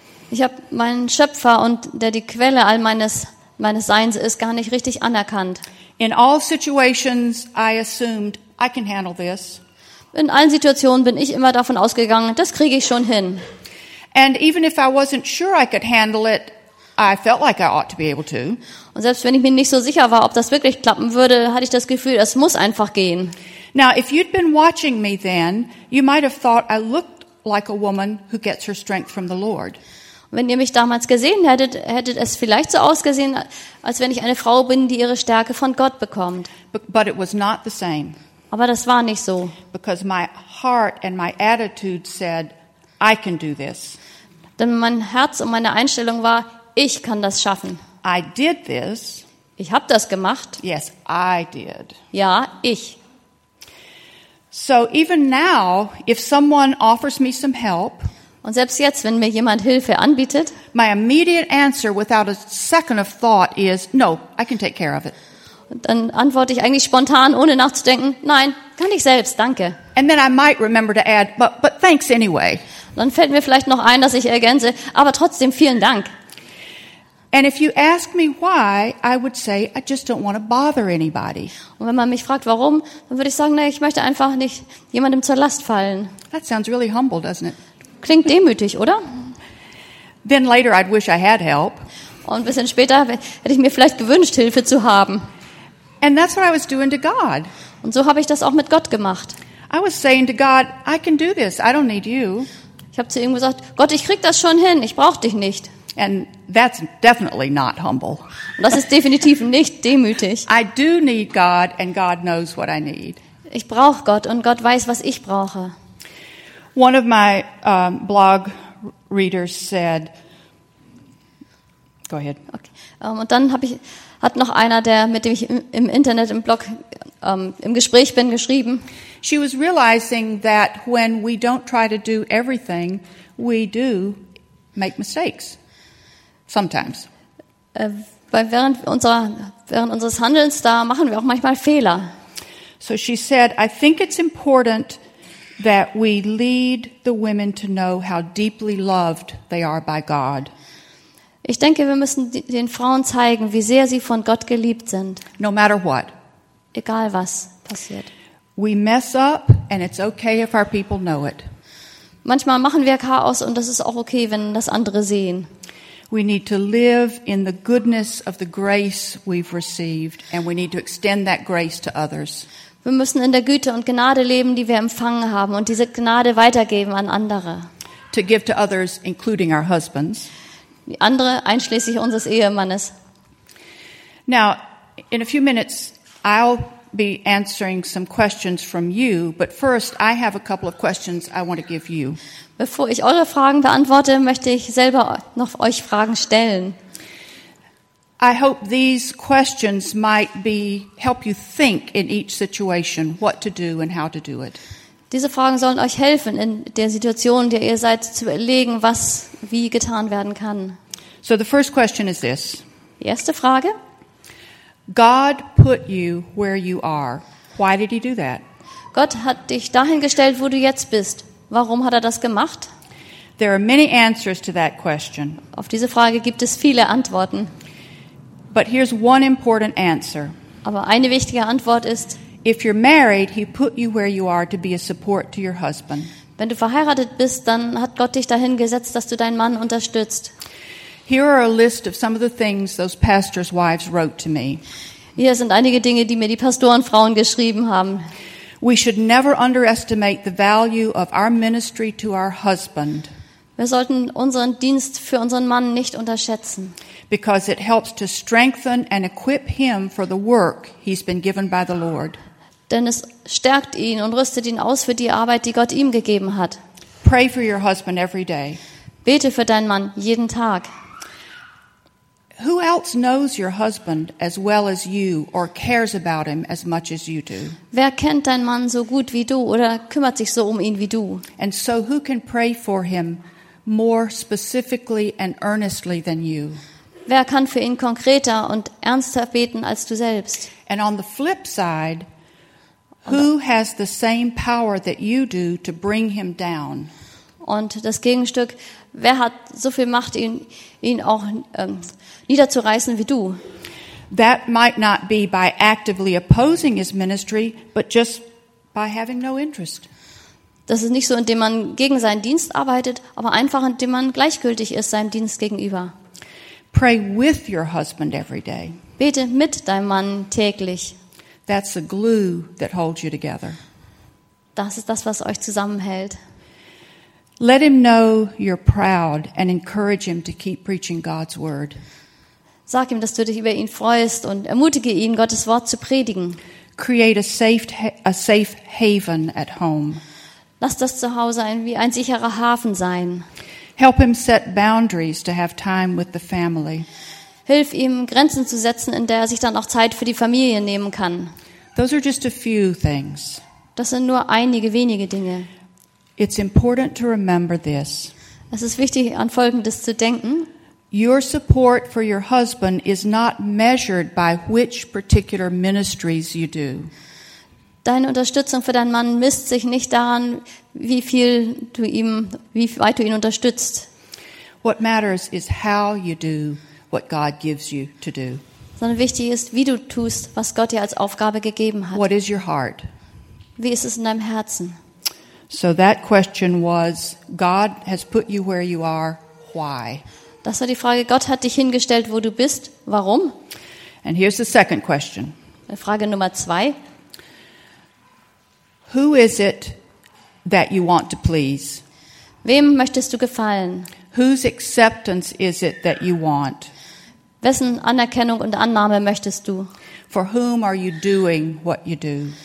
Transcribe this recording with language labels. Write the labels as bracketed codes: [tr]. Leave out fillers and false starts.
[de] Ich habe meinen Schöpfer und der die Quelle all meines Seins ist, gar nicht richtig anerkannt. [en] In all situations I assumed I can handle this. [de] In allen Situationen bin ich immer davon ausgegangen, das kriege ich schon hin. [en] And even if I wasn't sure I could handle it, I felt like I ought to be able to. [de] Und selbst wenn ich mir nicht so sicher war, ob das wirklich klappen würde, hatte ich das Gefühl, es muss einfach gehen. [en] Now, if you'd been watching me then, you might have thought I looked like a woman who gets her strength from the Lord. [de] Und wenn ihr mich damals gesehen hättet, hättet es vielleicht so ausgesehen, als wenn ich eine Frau bin, die ihre Stärke von Gott bekommt. [en] But it was not the same. [de] Aber das war nicht so. [en] Because my heart and my attitude said, I can do this. [de] Denn mein Herz und meine Einstellung war, ich kann das schaffen. [en] I did this. [de] Ich habe das gemacht. [en] Yes, I did. [de] Ja, ich. [en] So even now, if someone offers me some help, [de] und selbst jetzt, wenn mir jemand Hilfe anbietet, [en] my immediate answer without a second of thought is, no, I can take care of it. [de] Dann antworte ich eigentlich spontan, ohne nachzudenken, nein, kann ich selbst, danke. [en] And then I might remember to add, but thanks anyway. [de] Dann fällt mir vielleicht noch ein, dass ich ergänze, aber trotzdem vielen Dank. [en] And if you ask me why, I would say I just don't want to bother anybody. [de] Und wenn man mich fragt warum, dann würde ich sagen, nein, ich möchte einfach nicht jemandem zur Last fallen. [en] That sounds really humble, doesn't it? [de] Klingt demütig, oder? [en] Then later I'd wish I had help. [de] Und ein bisschen später hätte ich mir vielleicht gewünscht, Hilfe zu haben. [en] And that's what I was doing to God. [de] Und so habe ich das auch mit Gott gemacht. [en] I was saying to God, I can do this. I don't need you. [de] Ich habe zu ihm gesagt, Gott, ich krieg das schon hin. Ich brauche dich nicht. [en] And that's definitely not humble. [de] Das ist definitiv nicht demütig. [en] I do need God, and God knows what I need. [de] Ich brauche Gott, und Gott weiß, was ich brauche. [en] One of my blog readers said, "Go ahead." [de] Okay. Und dann hat noch einer, der mit dem ich im Internet im Blog im Gespräch bin, geschrieben. [en] She was realizing that when we don't try to do everything, we do make mistakes. Sometimes. [de] Weil während unseres Handelns, da machen wir auch manchmal Fehler. [en] So she said, I think it's important that we lead the women to know how deeply loved they are by God. [de] Ich denke, wir müssen den Frauen zeigen, wie sehr sie von Gott geliebt sind. [en] No matter what. [de] Egal was passiert. [en] We mess up and it's okay if our people know it. [de] Manchmal machen wir Chaos und das ist auch okay, wenn das andere sehen. [en] We need to live in the goodness of the grace we've received, and we need to extend that grace to others. [de] Wir müssen in der Güte und Gnade leben, die wir empfangen haben, und diese Gnade weitergeben an andere. [en] To give to others, including our husbands. [de] Die andere, einschließlich unseres Ehemannes. [en] Now, in a few minutes, I'll be answering some questions from you, but first I have a couple of questions I want to give you. [de] Bevor ich eure Fragen beantworte, möchte ich selber noch euch Fragen stellen. [en] I hope these questions might be help you think in each situation what to do and how to do it. [de] Diese Fragen sollen euch helfen in der Situation, in der ihr seid, zu überlegen, was wie getan werden kann. [en] So the first question is this. [de] Die erste Frage. [en] God put you where you are. Why did he do that? [de] Gott hat dich dahin gestellt, wo du jetzt bist. Warum hat er das gemacht? [en] There are many answers to that question. [de] Auf diese Frage gibt es viele Antworten. [en] But here's one important answer. [de] Aber eine wichtige Antwort ist: [en] If you're married, he put you where you are to be a support to your husband. [de] Wenn du verheiratet bist, dann hat Gott dich dahin gesetzt, dass du deinen Mann unterstützt. [en] Here are a list of some of the things those pastors' wives wrote to me. [de] Hier sind einige Dinge, die mir die Pastorenfrauen geschrieben haben. [en] We should never underestimate the value of our ministry to our husband. [de] Wir sollten unseren Dienst für unseren Mann nicht unterschätzen. [en] Because it helps to strengthen and equip him for the work he's been given by the Lord. [de] Denn es stärkt ihn und rüstet ihn aus für die Arbeit, die Gott ihm gegeben hat. [en] Pray for your husband every day. [de] Bete für deinen Mann jeden Tag. [en] Who else knows your husband as well as you or cares about him as much as you do? [de] Wer kennt deinen Mann so gut wie du oder kümmert sich so um ihn wie du? [en] And so who can pray for him more specifically and earnestly than you? [de] Wer kann für ihn konkreter und ernster beten als du selbst? [en] And on the flip side, who has the same power that you do to bring him down? [de] Und das Gegenstück, wer hat so viel Macht, ihn auch niederzureißen wie du? [en] That might not be by actively opposing his ministry, but just by having no interest. [de] Das ist nicht so, indem man gegen seinen Dienst arbeitet, aber einfach, indem man gleichgültig ist seinem Dienst gegenüber. [en] Pray with your husband every day. [de] Bete mit deinem Mann täglich. [en] That's the glue that holds you together. [de] Das ist das, was euch zusammenhält. [en] Let him know you're proud and encourage him to keep preaching God's word. [de] Sag ihm, dass du dich über ihn freust und ermutige ihn, Gottes Wort zu predigen. [en] Create a safe haven at home. [de] Lass das zu Hause wie ein sicherer Hafen sein. [en] Help him set boundaries to have time with the family. [de] Hilf ihm, Grenzen zu setzen, in der er sich dann auch Zeit für die Familie nehmen kann. [en] Those are just a few things. [de] Das sind nur einige wenige Dinge. [en] It's important to remember this. [de] Es ist wichtig, an Folgendes zu denken. [en] Your support for your husband is not measured by which particular ministries you do. [de] Deine Unterstützung für deinen Mann misst sich nicht daran, wie weit du ihn unterstützt. [en] What matters is how you do what God gives you to do. [de] Sondern wichtig ist, wie du tust, was Gott dir als Aufgabe gegeben hat. [en] What is your heart? [de] Wie ist es in deinem Herzen? [en] So that question was, God has put you where you are, why? [de] Das war die Frage, Gott hat dich hingestellt, wo du bist, warum? [en] And here's the second question. [de] Frage Nummer zwei. [en] Who is it that you want to please? [de] Wem möchtest du gefallen? [en] Whose acceptance is it that you want? [de] Wessen Anerkennung und Annahme möchtest du? [en] For whom are you doing what you do?